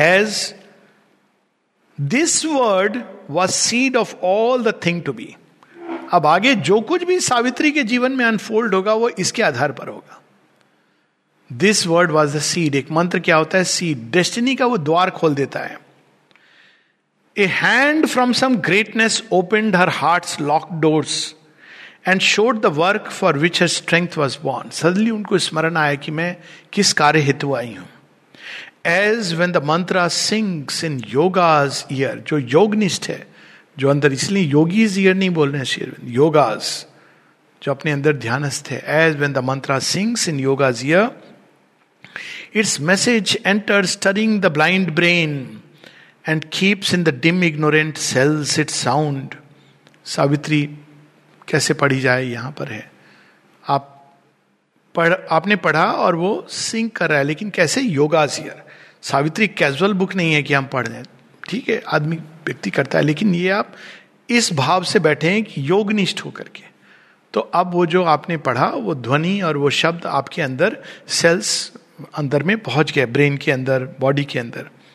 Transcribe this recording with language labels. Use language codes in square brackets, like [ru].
[en] As this word was seed of all the thing to be. [hi] अब आगे जो कुछ भी सावित्री के जीवन में अनफोल्ड होगा वो इसके आधार पर होगा. [en] This word was the seed. [hi] एक मंत्र क्या होता है, seed, destiny का वो द्वार खोल देता है. [en] A hand from some greatness opened her heart's locked doors and showed the work for which her strength was born. [hi] Suddenly उनको स्मरण आया कि मैं किस कार्य हेतु आई हूं. [en] As when the mantra sings in yoga's ear, [hi] जो योगनिष्ठ है, जो अंदर, इसलिए योगीज ear नहीं बोल रहे हैं, योगास, जो अपने अंदर ध्यानस्थ है. [en] As when the mantra sings in yoga's ear, Its message enters, stirring the blind brain, and keeps in the dim ignorant cells its sound. [hi] Savitri कैसे पढ़ी जाए, यहां पर है, आप आपने पढ़ा और वो सिंक कर रहा है, लेकिन कैसे? योगासियर. सावित्री कैजुअल बुक नहीं है कि हम पढ़ जाए, ठीक है, आदमी व्यक्ति करता है, लेकिन ये आप इस भाव से बैठे हैं कि योगनिष्ठ होकर के, तो अब वो जो आपने पढ़ा वो ध्वनि और वो शब्द आपके अंदर सेल्स अंदर में पहुंच गए, ब्रेन के अंदर, बॉडी के अंदर.